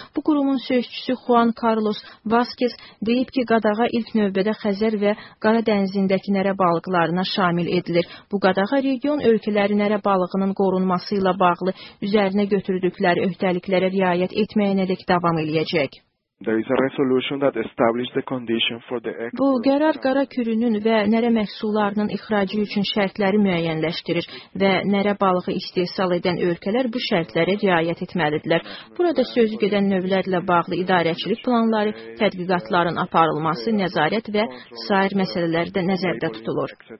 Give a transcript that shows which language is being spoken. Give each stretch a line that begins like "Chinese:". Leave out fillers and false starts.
Azerbaijani: Bu qurumun sözçüsü Juan Carlos Vazquez deyib ki, qadağa ilk növbədə Xəzər və Qara dənizindəki nərə balıqlarına şamil edilir. Bu qadağa region ölkələri nərə balığının qorunması ilə bağlı üzərinə götürdükləri öhdəliklərə riayət etməyənə dək davam edəcək.
English: There is a resolution that established the condition for the export.
Azerbaijani: Bu qərar qara kürünün və nərə məhsullarının ixracı üçün şərtləri müəyyənləşdirir və nərə balığı istehsal edən ölkələr bu şərtlərə riayət etməlidirlər. Burada sözü gedən növlərlə bağlı idarəçilik planları, tədqiqatların aparılması, nəzarət və sair məsələlər də nəzərdə tutulur.